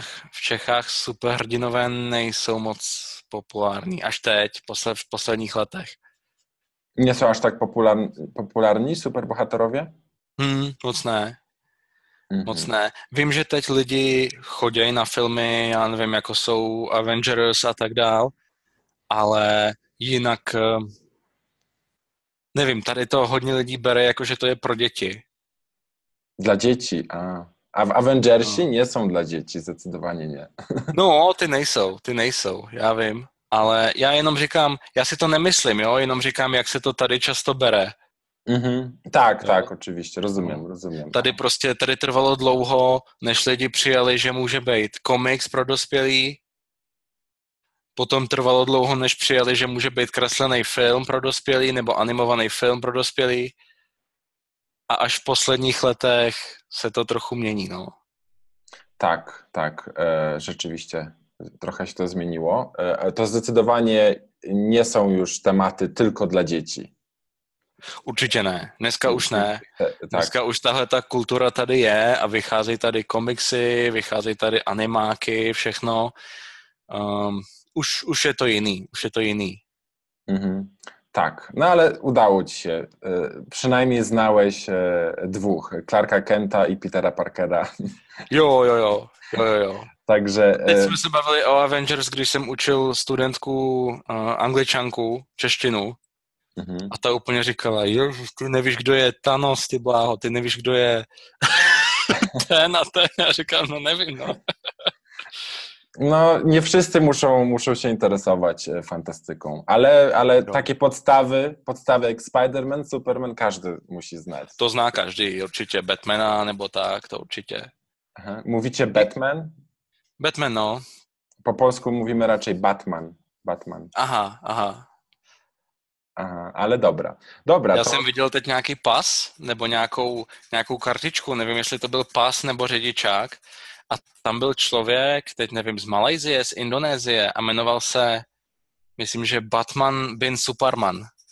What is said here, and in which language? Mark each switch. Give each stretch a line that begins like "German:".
Czech: W Czechach superhrdinové nejsou moc populární. Až teď, w posledních letech.
Polish: Nie są aż tak popularni superbohaterowie?
Czech: Mocné. Vím, že teď lidi chodí na filmy, já nevím, jako jsou Avengers a tak dál, ale jinak, nevím, tady to hodně lidí bere, jako že to je pro děti.
Polish: Dla děti, a Avengersi nie
Czech: jsou
Polish: dla děti, zdecidovaně ne.
Czech: No, ty nejsou, já vím, ale já jenom říkám, já si to nemyslím, jo, jenom říkám, jak se to tady často bere. Mm-hmm.
Polish: Tak, oczywiście, rozumiem.
Czech: Tady trvalo dlouho, než lidi přijali, že může být komiks pro dospělí, potom trvalo dlouho, než přijali, že může být kreslený film pro dospělí nebo animovaný film pro dospělí a až v posledních letech se to trochu mění, no.
Polish: Tak, rzeczywiście, trochę się to zmieniło. To zdecydowanie nie są już tematy tylko dla dzieci.
Czech: Určitě ne. Dneska už ne. Dneska tak. Už tahle ta kultura tady je a vycházejí tady komiksy, vycházejí tady animáky, všechno. Už je to jiný.
Polish: Mm-hmm. Tak, no ale udało ci się. Przynajmniej znałeś dwóch. Clarka Kenta i Petera Parkera.
Czech: Jo. Takže, teď jsme se bavili o Avengers, když jsem učil studentku angličanku, češtinu. Uh-huh. A ta úplně říkala, ty nevíš, kdo je Thanos, ty bláho, ty nevíš, kdo je ten a ten. Já říkám, no nevím, no.
Polish: No, nie wszyscy muszą się interesować fantastyką, ale takie podstawy jak Spider-Man, Superman, każdy musi znać.
Czech: To zna każdy, určitě Batmana, nebo tak, to určitě.
Polish: Aha. Mówicie Batman?
Czech: Batman, no.
Polish: Po polsku mówimy raczej Batman. Batman. Aha, aha. Aha, ale dobra. Dobra.
Czech: Ja jsem viděl teď nějaký pas nebo nějakou kartičku, nevím, jestli to byl pas nebo řidičák. A tam byl člověk, teď nevím, z Malajzie, z Indonésie a jmenoval se, myslím, že Batman bin Superman.